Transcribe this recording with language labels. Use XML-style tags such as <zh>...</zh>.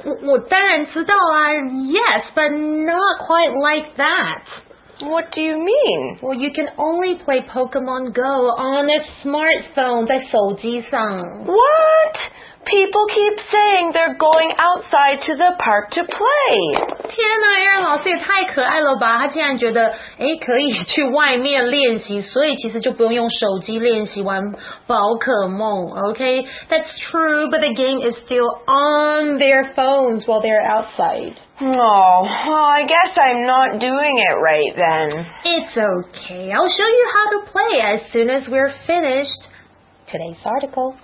<zh>我当然知道啊</zh> <en>yes, but not quite like that. What do you mean? Well, you can only play Pokemon Go on a smartphone,</en> <zh>在手机上。</zh> <en>What? People keep saying they're going outside to the park to play.</en> <zh>天哪 ,Aaron 老师也太可爱了吧。他竟然觉得可以去外面练习，所以其实就不用用手机练习玩宝可梦。</zh> <en>Okay, that's true, but the game is still on their phones while they're outside. Oh, well, I guess I'm not doing it right then. It's okay. I'll show you how to play as soon as we're finished today's article.</en>